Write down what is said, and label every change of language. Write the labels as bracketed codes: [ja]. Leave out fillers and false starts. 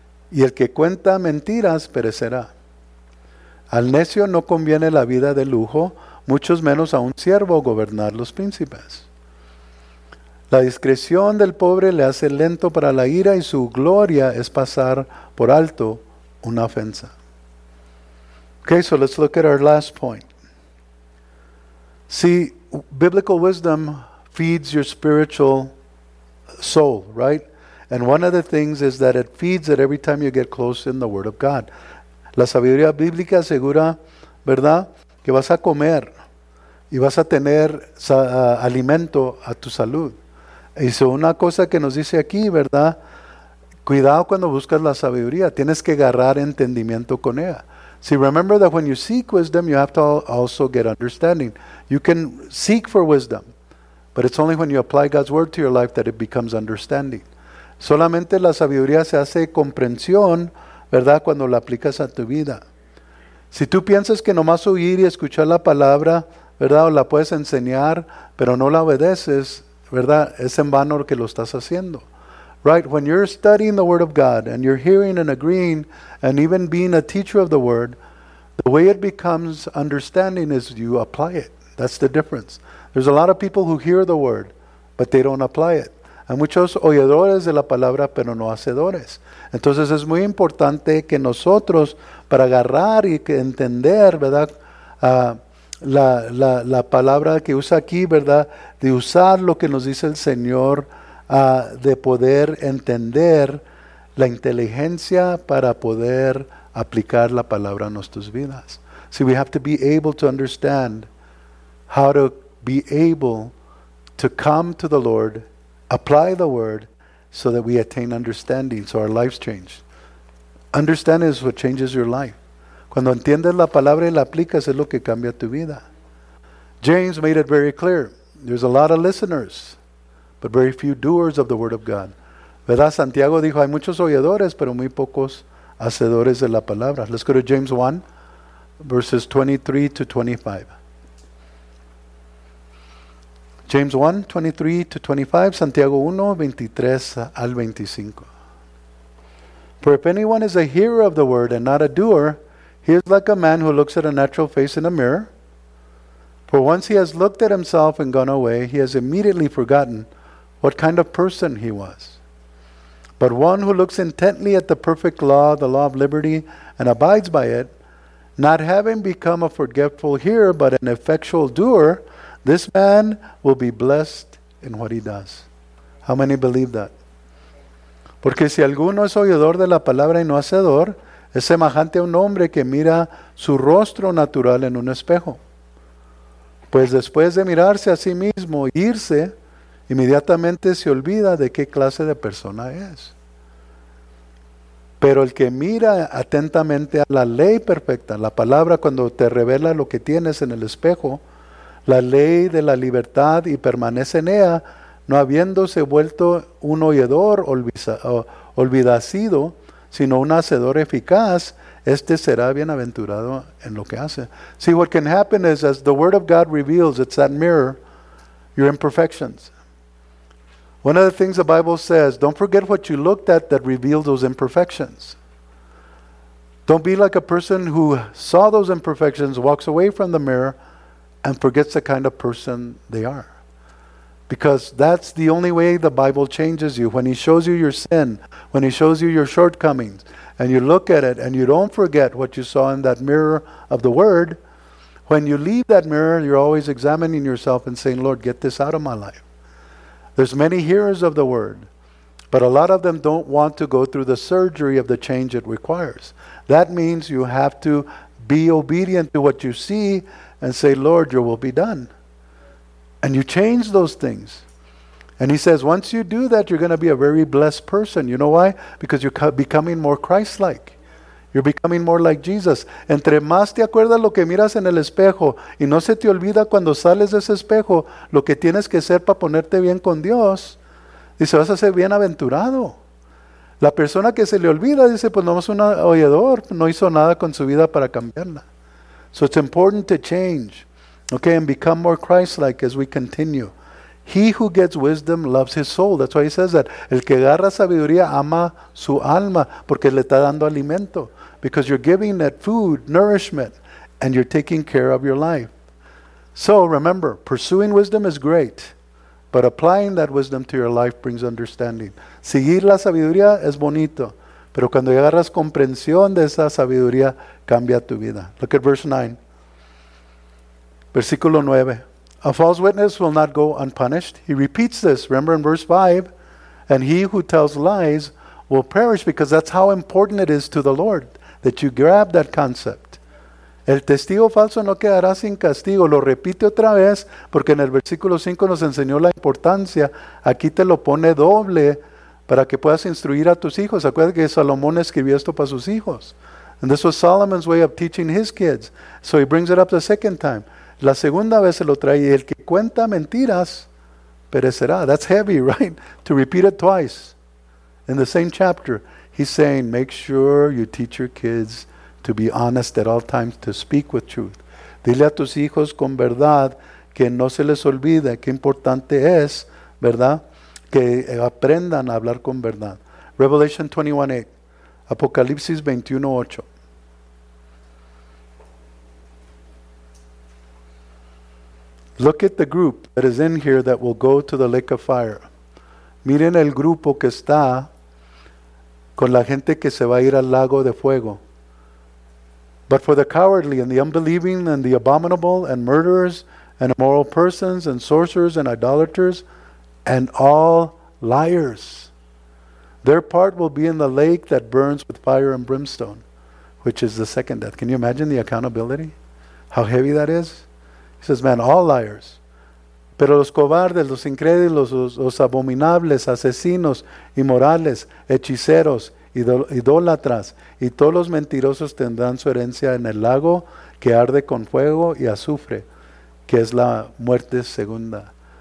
[es] Y el que cuenta mentiras perecerá. Al necio no conviene la vida de lujo, muchos menos a un siervo gobernar los príncipes. La discreción del pobre le hace lento para la ira y su gloria es pasar por alto una ofensa. [en] Okay, so let's look at our last point. See, biblical wisdom feeds your spiritual soul, right? And one of the things is that it feeds it every time you get close in the Word of God. [es] La sabiduría bíblica asegura, ¿verdad?, que vas a comer y vas a tener alimento a tu salud. Y so una cosa que nos dice aquí, ¿verdad?, cuidado cuando buscas la sabiduría. Tienes que agarrar entendimiento con ella. [en] See, remember that when you seek wisdom, you have to also get understanding. You can seek for wisdom, but it's only when you apply God's Word to your life that it becomes understanding. [es] Solamente la sabiduría se hace comprensión, ¿verdad? Cuando la aplicas a tu vida. Si tú piensas que nomás oír y escuchar la palabra, ¿verdad? O la puedes enseñar, pero no la obedeces, ¿verdad? Es en vano lo que lo estás haciendo. [en] Right? When you're studying the Word of God and you're hearing and agreeing and even being a teacher of the Word, the way it becomes understanding is you apply it. That's the difference. There's a lot of people who hear the Word, but they don't apply it. [es] Hay muchos oyedores de la palabra, pero no hacedores. Entonces es muy importante que nosotros, para agarrar y que entender, ¿verdad? La palabra que usa aquí, ¿verdad? De usar lo que nos dice el Señor, de poder entender la inteligencia para poder aplicar la palabra a nuestras vidas. [en] So we have to be able to understand how to be able to come to the Lord, apply the word so that we attain understanding, so our lives change. Understanding is what changes your life. [es] Cuando entiendes la palabra y la aplicas, es lo que cambia tu vida. [en] James made it very clear. There's a lot of listeners, but very few doers of the word of God. [es] ¿Verdad? Santiago dijo, hay muchos oyedores, pero muy pocos hacedores de la palabra. [en] Let's go to James 1, verses 23 to 25. James 1, 23 to 25, [es] Santiago 1, 23 al 25. [en] For if anyone is a hearer of the word and not a doer, he is like a man who looks at a natural face in a mirror. For once he has looked at himself and gone away, he has immediately forgotten what kind of person he was. But one who looks intently at the perfect law, the law of liberty, and abides by it, not having become a forgetful hearer but an effectual doer, this man will be blessed in what he does. How many believe that? [es] Porque si alguno es oyedor de la palabra y no hacedor, es semejante a un hombre que mira su rostro natural en un espejo. Pues después de mirarse a sí mismo y irse, inmediatamente se olvida de qué clase de persona es. Pero el que mira atentamente a la ley perfecta, la palabra cuando te revela lo que tienes en el espejo, la ley de la libertad y permanece en ella, no habiéndose vuelto un oyedor olvidacido, sino un hacedor eficaz, este será bienaventurado en lo que hace. [en] See, what can happen is, as the Word of God reveals, it's that mirror, your imperfections. One of the things the Bible says, don't forget what you looked at that revealed those imperfections. Don't be like a person who saw those imperfections, walks away from the mirror, and forgets the kind of person they are. Because that's the only way the Bible changes you. When he shows you your sin, when he shows you your shortcomings, and you look at it, and you don't forget what you saw in that mirror of the Word, when you leave that mirror, you're always examining yourself and saying, Lord, get this out of my life. There's many hearers of the Word, but a lot of them don't want to go through the surgery of the change it requires. That means you have to be obedient to what you see, and say, Lord, your will be done. And you change those things. And he says, once you do that, you're going to be a very blessed person. You know why? Because you're becoming more Christ-like. You're becoming more like Jesus. [es] Entre más te acuerdas lo que miras en el espejo, y no se te olvida cuando sales de ese espejo, lo que tienes que hacer para ponerte bien con Dios, dice, vas a ser bienaventurado. La persona que se le olvida, dice, pues nomás un oyedor, no hizo nada con su vida para cambiarla. [en] So it's important to change, okay, and become more Christ-like as we continue. He who gets wisdom loves his soul. That's why he says that. [es] El que agarra sabiduría ama su alma, porque le está dando alimento. [en] Because you're giving that food, nourishment, and you're taking care of your life. So remember, pursuing wisdom is great, but applying that wisdom to your life brings understanding. [es] Seguir la sabiduría es bonito, pero cuando agarras comprensión de esa sabiduría, cambia tu vida. [en] Look at verse 9. [es] Versículo 9. [en] A false witness will not go unpunished. He repeats this. Remember in verse 5. And he who tells lies will perish, because that's how important it is to the Lord that you grab that concept. [es] El testigo falso no quedará sin castigo. Lo repite otra vez, porque en el versículo 5 nos enseñó la importancia. Aquí te lo pone doble, para que puedas instruir a tus hijos. Acuérdate que Salomón escribió esto para sus hijos. [en] And this was Solomon's way of teaching his kids. So he brings it up the second time. [es] La segunda vez se lo trae. Y el que cuenta mentiras perecerá. [en] That's heavy, right? To repeat it twice. In the same chapter, he's saying, make sure you teach your kids to be honest at all times, to speak with truth. [es] Dile a tus hijos con verdad que no se les olvide qué importante es, ¿verdad? Que aprendan a hablar con verdad. [en] Revelation 21:8. [es] Apocalipsis 21:8. [en] Look at the group that is in here that will go to the lake of fire. [es] Miren el grupo que está con la gente que se va a ir al lago de fuego. [en] But for the cowardly and the unbelieving and the abominable and murderers and immoral persons and sorcerers and idolaters and all liars, their part will be in the lake that burns with fire and brimstone, which is the second death. Can you imagine the accountability? How heavy that is? He says, man, all liars. [es] Pero los cobardes, los incrédulos, los abominables, asesinos, inmorales, hechiceros, idólatras, y todos los mentirosos tendrán su herencia en el lago que arde con fuego y azufre, que es la muerte segunda.